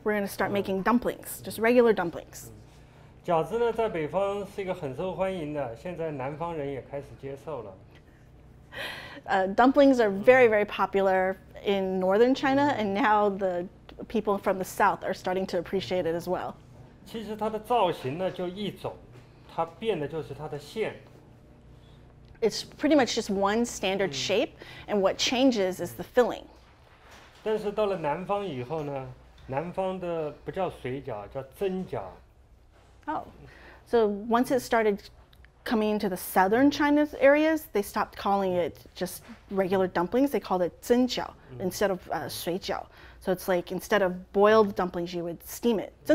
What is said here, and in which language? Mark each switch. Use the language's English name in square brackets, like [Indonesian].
[English] we're going to start making dumplings, just regular dumplings. [Chinese] 饺子呢，在北方是一个很受欢迎的，现在南方人也开始接受了。 [English] Dumplings are very, very popular in northern China, and now the people from the south are starting to appreciate it as well. [Chinese] 其实它的造型呢就一种，它变的就是它的馅。 [English] It's pretty much just one standard shape, and what changes is the filling. [Chinese] 但是到了南方以后呢，南方的不叫水饺，叫蒸饺。 [English] Oh, so once it started coming into the southern China's areas, they stopped calling it just regular dumplings. They called it 蒸饺 instead of 水饺.So it's like instead of boiled dumplings, you would steam it.